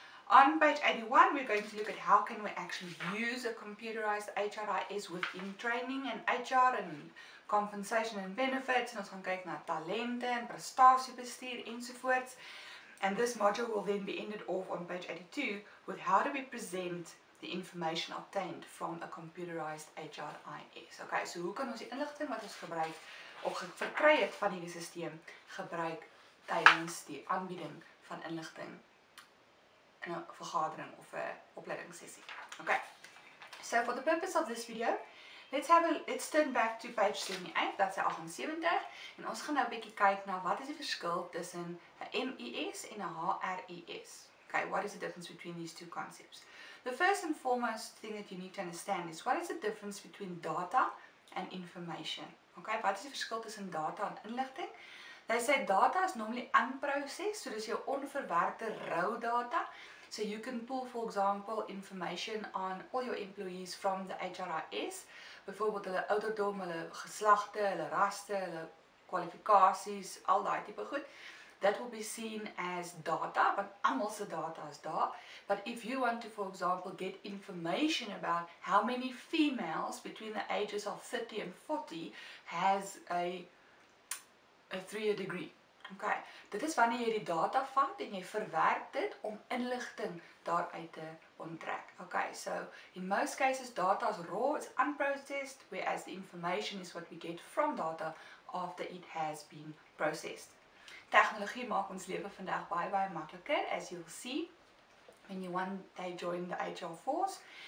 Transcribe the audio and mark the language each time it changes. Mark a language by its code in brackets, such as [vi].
[en] On page 81, we're going to look at how can we actually use a computerized HRIS within training and HR and compensation and benefits. [af] En ons gaan kyk na talente en prestatiebestuur enzovoorts. [en] And this module will then be ended off on page 82 with how do we present the information obtained from a computerized HRIS. [af] Okay, so hoe kan ons die inligting wat ons gebruik of verkry het van hierdie systeem gebruik tydens die aanbieding van inligting in 'n vergadering of 'n opleidingssessie. [en] Okay. So for the purpose of this video, let's turn back to page 78, [af] dat is 78, en ons gaan nou 'n bietjie kyk na wat is die verskil tussen 'n MIS en 'n HRIS. [en] Okay, what is the difference between these two concepts? The first and foremost thing that you need to understand is what is the difference between data and information? [af] Okay, wat is die verskil tussen data en inligting? [en] They say data is normally unprocessed, so [af] dis jou onverwerkte rou data. [en] So you can pull, for example, information on all your employees from the HRIS, [af] byvoorbeeld hulle ouderdom, hulle geslagte, hulle raste, hulle kwalifikasies, al daai tipe goed. [en] That will be seen as data, [af] want almal se data is daar. [en] But if you want to, for example, get information about how many females between the ages of 30 and 40 has a 3-year degree. [af] Okay, dit is wanneer jy die data vat en jy verwerk dit om inligting daaruit te onttrek. [en] Okay, so in most cases data is raw, it's unprocessed, whereas the information is what we get from data after it has been processed. [af] Technologie maak ons lewe vandag baie baie makliker, [en] as you'll see when you one day join the HR force.